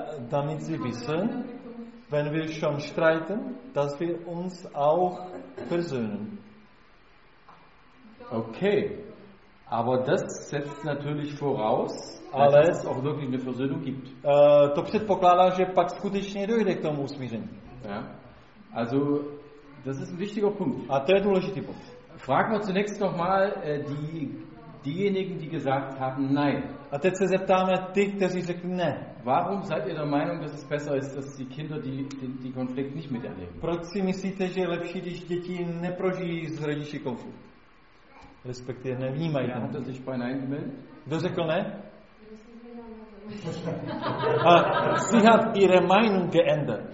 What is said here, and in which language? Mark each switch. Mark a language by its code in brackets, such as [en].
[de] Damit Sie wissen, wenn wir schon streiten, dass wir uns auch versöhnen. Okay, aber das setzt natürlich voraus, dass es auch wirklich eine Versöhnung gibt. [cs] To předpokládá, že pak skutečně dojde k tomu usmíření. [de] Ja. Also, das ist ein wichtiger Punkt. [cs] A to je důležitý bod. [de] Fragen wir zunächst nochmal diejenigen, die gesagt haben, nein. [cs] A teď se zeptáme ty, kteří řekli ne. [de] Warum seid ihr der Meinung, dass es besser ist, dass die Kinder die Konflikt nicht miterleben? [cs] Proč si myslíte, že je lepší, když děti neprožijí s rodiči konflikt? Respektive nevnímají. Já to teď [de] bei Nein gemeldet. [cs] Kdo řekl ne? [de] Sie hat ihre Meinung geändert.